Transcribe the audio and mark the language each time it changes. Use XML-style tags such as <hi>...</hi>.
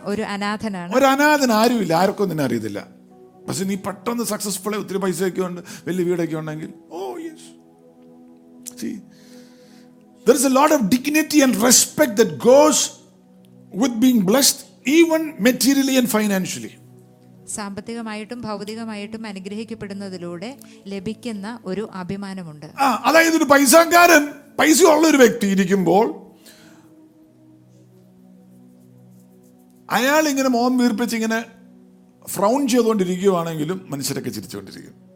<ml>ഒരു അനാഥനാണ്, ആരുമില്ല, ആർക്കും നിന്നെ അറിയത്തില്ല. പക്ഷെ നീ പെട്ടെന്ന് സക്സസ്ഫുൾ, ഒത്തിരി പൈസയൊക്കെ ഉണ്ട്, വലിയ വീടൊക്കെ ഉണ്ടെങ്കിൽ, ഓ yes.</ml> <en>There is a lot of dignity and respect that goes with being blessed, even materially and financially.</en> <ml>സാമ്പത്തികമായിട്ടും ഭൗതികമായിട്ടും അനുഗ്രഹിക്കപ്പെടുന്നതിലൂടെ ലഭിക്കുന്ന ഒരു അഭിമാനമുണ്ട്. അതായത് ഒരു പൈസക്കാരൻ, പൈസ ഉള്ള ഒരു വ്യക്തി ഇരിക്കുമ്പോൾ അയാൾ ഇങ്ങനെ മോഹം വീർപ്പിച്ച് ഇങ്ങനെ ഫ്രൗൺ ചെയ്തുകൊണ്ടിരിക്കുകയാണെങ്കിലും മനുഷ്യരൊക്കെ ചിരിച്ചുകൊണ്ടിരിക്കും.</ml>